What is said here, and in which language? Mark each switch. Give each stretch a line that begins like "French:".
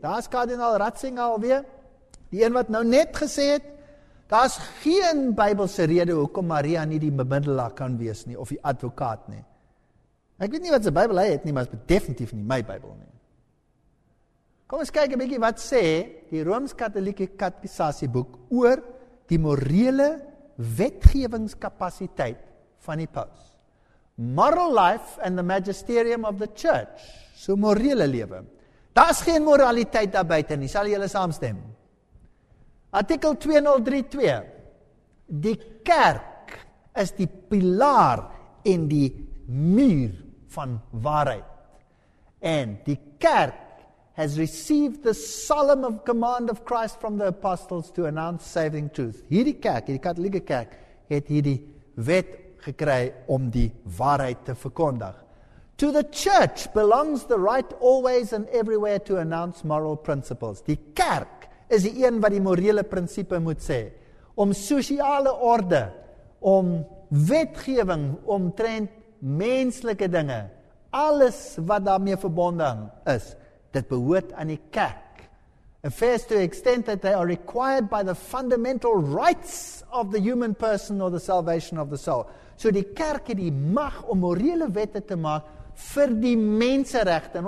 Afrikaans: Daar's kardinaal Ratzinger alweer. Die een wat nou net gesê het, daar's geen Bybelse rede hoekom Maria nie die bemiddelaar kan wees nie of die advokaat nie. Ek weet nie wat sy Bybel hy het nie, maar dit is definitief nie my Bybel nie. Kom ons kyk 'n bietjie wat sê die Rooms-Katolieke Katekisasie boek oor die morele wetgewingskapasiteit van die paus.
English: Moral life and the magisterium of the church.
Afrikaans: So morele lewe. Daar's geen moraliteit daar buite nie. Sal julle saamstem? Artikel 2032. Die kerk is die pilaar en die muur van waarheid. En die kerk
English: has received the solemn of command of Christ from the apostles to announce saving truth.
Afrikaans: Hierdie kerk, hierdie katolieke kerk, het hierdie wet gekry om die waarheid te verkondig.
English: To the church belongs the right always and everywhere to announce moral principles.
Afrikaans: Die kerk is die een wat die morele prinsipe moet sê. Om sosiale orde, om wetgewing, omtrent menslike dinge, alles wat daarmee verbonde is, dit behoort aan die kerk.
English: Affairs to the extent that they are required by the fundamental rights of the human person or the salvation of the soul.
Afrikaans: So die kerk het die mag om morele wette te maak vir die menseregte.